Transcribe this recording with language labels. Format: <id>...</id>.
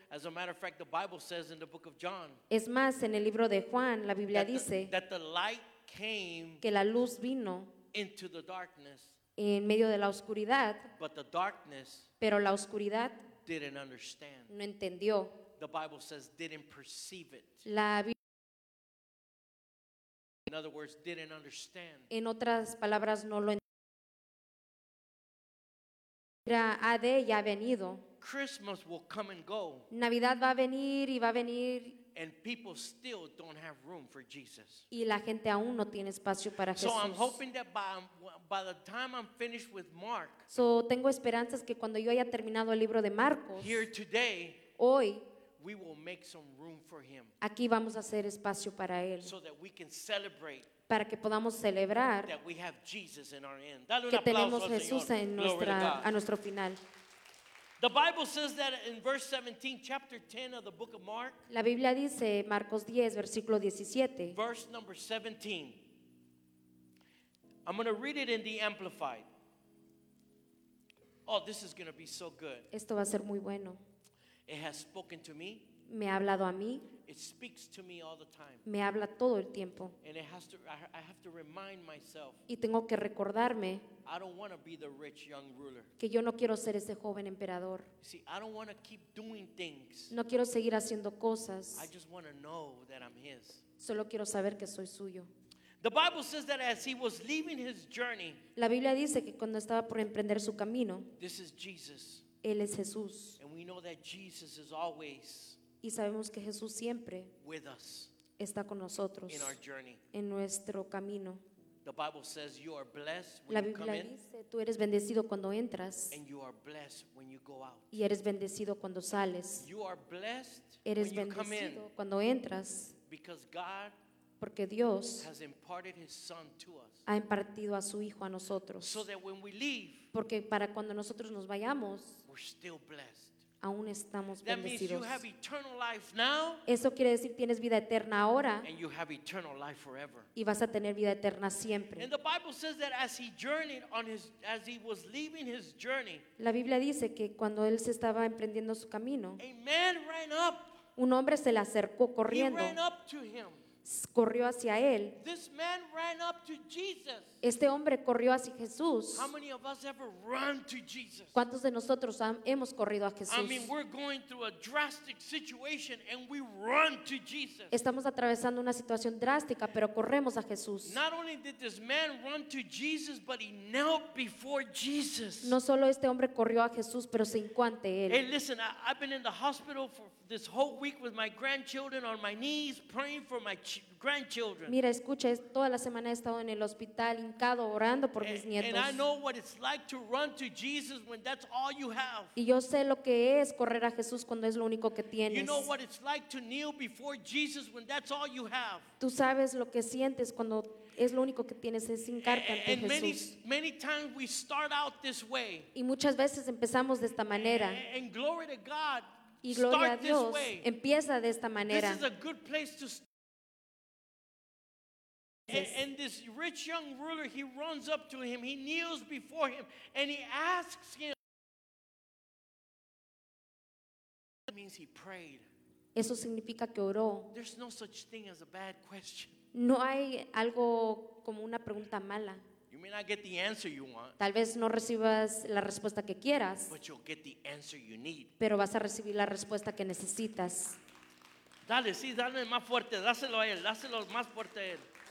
<en>As a matter of fact, the Bible says in the book of John,</en> <es>es más, en el libro de Juan, la Biblia dice,</es> <en>that the light came,</en> <es>que la luz vino,</es> <en>into the darkness,</en> <es>en medio de la oscuridad,</es> <en>but the darkness,</en> <es>pero la oscuridad,</es> <en>didn't understand,</en> <es>no entendió,</es> <en>the Bible says didn't perceive it,</en> <es>la,</es> <en>in other words didn't understand,</en> <es>en otras palabras no lo entendió, AD ya ha venido,</es> <en>Christmas will come and go,</en> <es>Navidad va a venir y va a venir.</es> <en>And people still don't have room for Jesus.</en> <es>Y la gente aún no tiene espacio para Jesús.</es> <en>So I'm hoping that by the time I'm finished with Mark.</en> <es>So tengo esperanzas que cuando yo haya terminado el libro de Marcos.</es> <en>Here today.</en> <es>Hoy.</es> <en>We will make some room for him.</en> <es>Aquí vamos a hacer espacio para él.</es> <en>So that we can celebrate.</en> <es>Para que podamos celebrar.</es> <en>That we have Jesus in our end.</en> <es>Dale un que tenemos Jesús en nuestra a nuestro final.</es> <en>The Bible says that in verse 17, chapter 10 of the book of Mark.</en> <es>La Biblia dice, Marcos 10, versículo 17.</es> <en>Verse number 17. I'm going to read it in the Amplified. Oh, this is going to be so good.</en> <es>Esto va a ser muy bueno.</es> <en>It has spoken to me.</en> <es>Me ha hablado a mí.</es> <en>It speaks to me all the time.</en> <es>Me habla todo el tiempo.</es> <en>And it has to, I have to remind myself.</en> <es>Y tengo que recordarme.</es> <en>I don't want to be the rich young ruler.</en> <es>Que yo no quiero ser ese joven emperador.</es> <en>See, I don't want to keep doing things.</en> <es>No quiero seguir haciendo cosas.</es> <en>I just want to know that I'm his.</en> <es>Solo quiero saber que soy suyo.</es> <en>The Bible says that as he was leaving his journey.</en> <es>La Biblia dice que cuando estaba por emprender su camino.</es> <en>This is Jesus.</en> <es>Él es Jesús.</es> <en>And we know that Jesus is always.</en> <es>Y sabemos que Jesús siempre</es> <en>with us.</en> <es>está con nosotros</es> <en>in our journey.</en> <es>En nuestro camino.</es> <en>The Bible says you are blessed when</en> <es>La Biblia</es> <en>you come</en> <es>dice, tú eres bendecido cuando entras</es> <en>and you are blessed when you go out.</en> <es>Y eres bendecido cuando sales.</es> <en>You are blessed</en> <es>eres</es> <en>when</en> <es>bendecido</es> <en>you come in.</en> <es>Cuando entras.</es> <en>Because God</en> <es>Porque Dios</es> <en>has imparted his son to us.</en> <es>Ha impartido a su Hijo a nosotros.</es> <en>So that when we leave,</en> <es>Porque para cuando nosotros nos vayamos,</es> <en>we're still blessed.</en> <es>Aún estamos</es> <en>that</en> <es>bendecidos.</es> <en>Means you have eternal life now,</en> <es>Eso quiere decir tienes vida eterna ahora</es> <en>and you have eternal life forever.</en> <es>Y vas a tener vida eterna siempre.</es> <en>And the Bible says that as he journeyed on his, as he was leaving his journey,</en> <es>La Biblia dice que cuando él se estaba emprendiendo su camino,</es> <en>a man ran up.</en> <es>Un hombre se le acercó corriendo.</es> <en>He ran up to him.</en> <es>Corrió hacia él.</es> <en>This man ran up to Jesus.</en> <es>Este hombre corrió hacia Jesús.</es> <en>How many of us ever run to Jesus?</en> <es>¿Cuántos de nosotros hemos corrido a Jesús?</es> <en>I mean, we're going through a drastic situation and we run to Jesus.</en> <es>Estamos atravesando una situación drástica, pero corremos a Jesús.</es> <en>Not only did this man run to Jesus, but he knelt before Jesus.</en> <es>No solo este hombre corrió a Jesús, pero se hincó ante él.</es> <en>Hey, listen, I've been in the hospital for this whole week with my grandchildren on my knees praying for my grandchildren.</en> <es>Mira, escucha, toda la semana he estado en el hospital hincado orando por mis nietos.</es> <en>And I know what it's like to run to Jesus when that's all you have.</en> <es>Y yo sé lo que es correr a Jesús cuando es lo único que tienes.</es> <en>You know what it's like to kneel before Jesus when that's all you have.</en> <es>Tú sabes lo que sientes cuando es lo único que tienes es hincarte ante</es> <en>and</en> <es>Jesús.</es> <en>Many, many times we start out this way.</en> <es>Y muchas veces empezamos de esta manera.</es> <en>And glory to God.</en> <es>Y gloria</es> <en>start</en> <es>a Dios.</es> <en>This way.</en> <es>Empieza de esta manera.</es> <en>This is a good place to start. And this rich young ruler, he runs up to him, he kneels before him, and he asks him. That means he prayed.</en> <es>Eso significa que oró.</es> <en>There's no such thing as a bad question.</en> <es>No hay algo como una pregunta mala.</es> <en>You may not get the answer you want.</en> <es>Tal vez no recibas la respuesta que quieras.</es> <en>But you'll get the answer you need.</en> <es>Pero vas a recibir la respuesta que necesitas. Dale, sí, dale más fuerte, dáselo a él, dáselo más fuerte a él.</es>